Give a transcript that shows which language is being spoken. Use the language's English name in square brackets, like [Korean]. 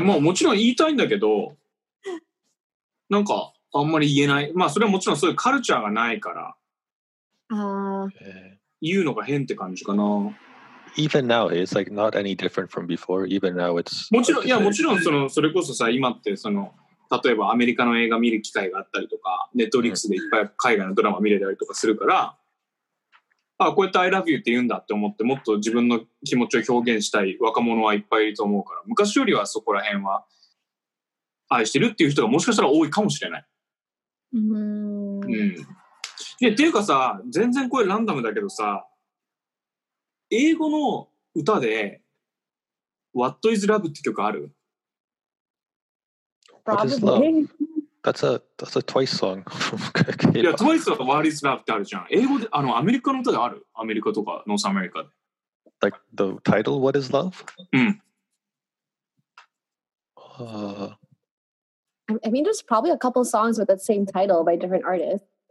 [Japanese] まあ、もちろん言いたいんだけど。なんかあんまり言えない。まあそれはもちろんそういうカルチャーがないから、言うのが変って感じかな。 [English] Even now, it's like not any different from before. Even now, it's [Japanese] もちろんいやもちろんそのそれこそさ今ってその例えばアメリカの映画見る機会があったりとか、Netflix でいっぱい海外のドラマ見れたりとかするから、あこうやって [English] I love you [Japanese] って言うんだって思ってもっと自分の気持ちを表現したい若者はいっぱいいると思うから、昔よりはそこら辺は。愛してるっていう人がもしかしたら多いかもしれない。うん。うん。っていうかさ、全然これランダムだけどさ、英語の歌で、 What is Love って曲ある [English] What is Love? That's a Twice song. [Japanese] いや、Twice は What is Love ってあるじゃん。英語で、あの、アメリカの歌である。アメリカとか、ノースアメリカで。 [English] Like the title, What is Love? [Japanese] うん。 [English] I mean, there's probably a couple songs with that same title by different artists.